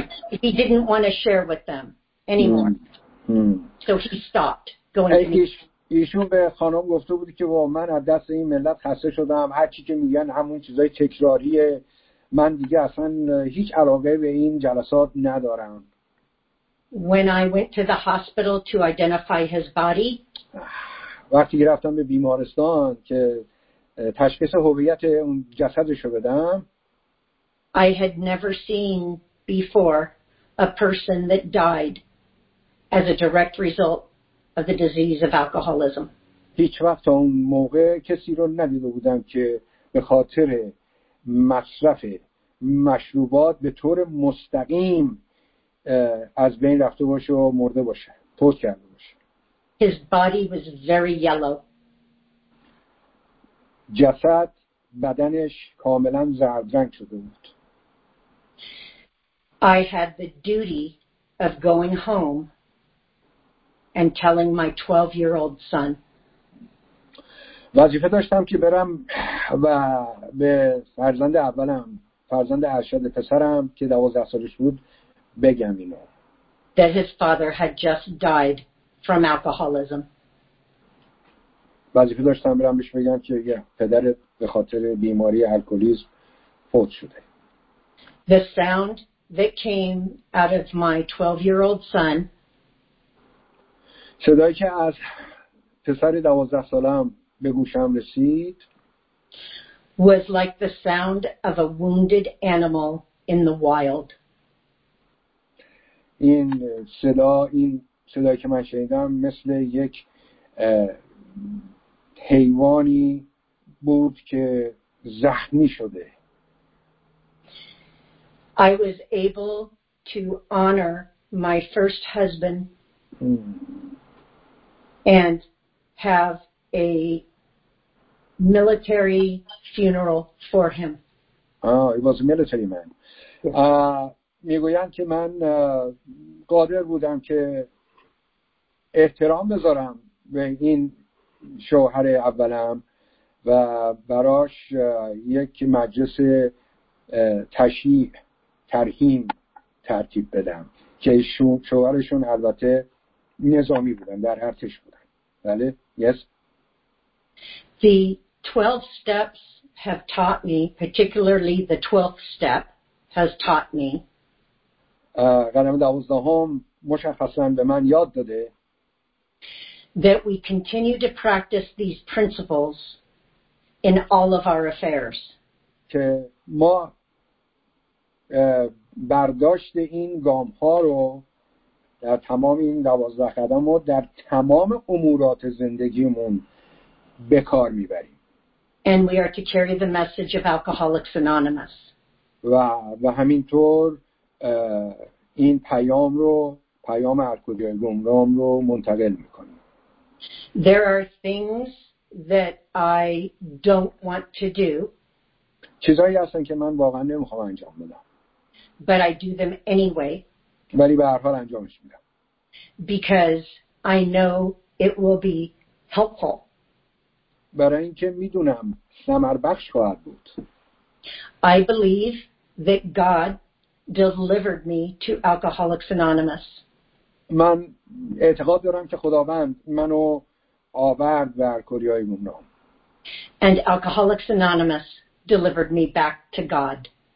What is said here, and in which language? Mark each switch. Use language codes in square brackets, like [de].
[en] He didn't want to share with them anymore. So he stopped going to meet. [fa] ایشون به خانم گفته بود که واقعا من از دست این ملت خسته شدم. هر چی که میگن همون چیزای تکراریه. من دیگه اصلا هیچ علاقه به این جلسات ندارم. [en] When I went to the hospital to identify his body, [fa] وقتی رفتم به بیمارستان که تشخیص هویت اون جسدش رو بدم, [en] I had never seen before a person that died as a direct result of the disease of alcoholism. [fa] هیچ وقت اون موقع کسی رو ندیده بودم که به خاطر مصرف مشروبات به طور مستقیم از بین رفته باشه و مرده باشه پوست کرده باشه. [en] His body was very yellow. [fa] جسد بدنش کاملا زرد رنگ شده بود. [en] I had the duty of going home and telling my 12-year-old son. [fa] وظیفه داشتم که برم و به فرزند اولم فرزند ارشد پسرم که 12 سالش بود بگم اینو. [en] That his father had just died from alcoholism. [fa] وظیفه داشتم برم بهش بگم که پدرت به خاطر بیماری الکلیسم فوت شده. [en] The sound that came out of my 12-year-old son. [fa] صدایی که از پسر 12 سالم به گوشم رسید [en] was like the sound of a wounded animal in the wild. [fa] این صدا این صدایی که من شنیدم مثل یک حیوانی بود که زخمی شده. [en] I was able to honor my first husband and have a military funeral for him. He was a military man. [fa] میگویند که من قادر بودم که احترام بذارم به این شوهر اولم و براش یک مجلس تشییع ترحیم ترتیب بدم که شوهرشون البته نظامی بودن، در ارتش بودن. بله؟ [en] Yes. The 12 steps have taught me, particularly the 12th step has taught me. [fa] قدم دوازدهم مشخصا به من یاد داده. [en] That we continue to practice these principles in all of our affairs. [fa] که ما برداشت این گام ها رو در تمام این دوازده قدم رو در تمام امورات زندگیمون به کار میبریم. [en] And we are to carry the message of Alcoholics Anonymous. [fa] و همینطور این پیام رو، پیام الکلیه گمرام رو منتقل میکنیم. [en] There are things that I don't want to do. [fa] چیزایی هستن که من واقعا نمیخوام انجام بدم. [en] But I do them anyway. [fa] ولی به هر حال انجامش میدم. [en] Because I know it will be helpful. [fa] برای اینکه میدونم ثمر بخش خواهد بود. [en] I believe that God delivered me to Alcoholics Anonymous. [fa] من اعتقاد دارم که خداوند منو آورد به الکلیه‌های گمنام. [en] And Alcoholics Anonymous delivered me back to God.